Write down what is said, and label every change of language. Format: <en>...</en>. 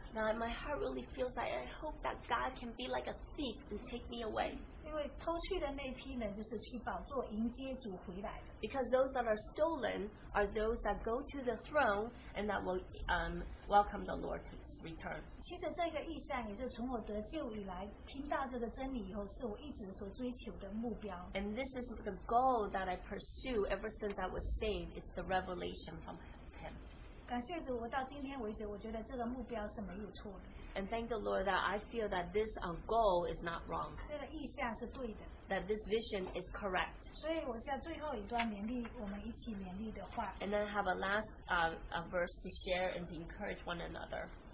<en>Now my heart really feels like I hope that God can be like a thief and take me away.</en> <zh>因为偷去的那批人就是去宝座迎接主回来的。</zh> <en>Because those that are stolen are those that go to the throne and that will welcome the Lord to return.</en> <zh>其实这个意象也是从我得救以来听到这个真理以后是我一直所追求的目标。</zh> <en>And this is the goal that I pursue ever since I was saved. It's the revelation from Him.</en> <zh>感谢主，我到今天为止，我觉得这个目标是没有错的。</zh> <en>And thank the Lord that I feel that this goal is not wrong.</en> <zh>这个意象是对的。</zh> <en>That this vision is correct.</en> <zh>所以我在最后一段勉励我们一起勉励的话。</zh> <en>And then have a last verse to share and to encourage one another.</en>